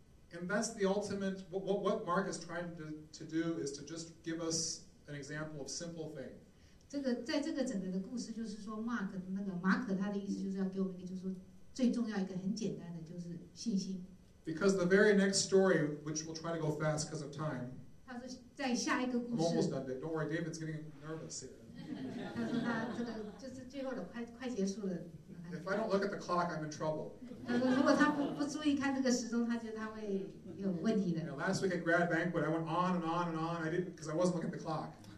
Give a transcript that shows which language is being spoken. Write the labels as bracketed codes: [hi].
[en] And that's the ultimate, what Mark is trying to do is to just give us an example of simple faith. [zh] 这个整个的故事就是说，马可他的意思就是要给我们一个，就是说最重要一个很简单的，就是信心。 [en] Because the very next story, which we'll try to go fast because of time, [zh] 他说在下一个故事, [en] I'm almost done. Don't worry, David's getting nervous here. [zh] 他说他这个就是最后的快结束了。 [en] If I don't look at the clock, I'm in trouble. [zh] 他说如果他不注意看这个时钟，他觉得他会有问题的。 [en] You know, last week at grad banquet, I went on and on and on. I didn't because I wasn't looking at the clock.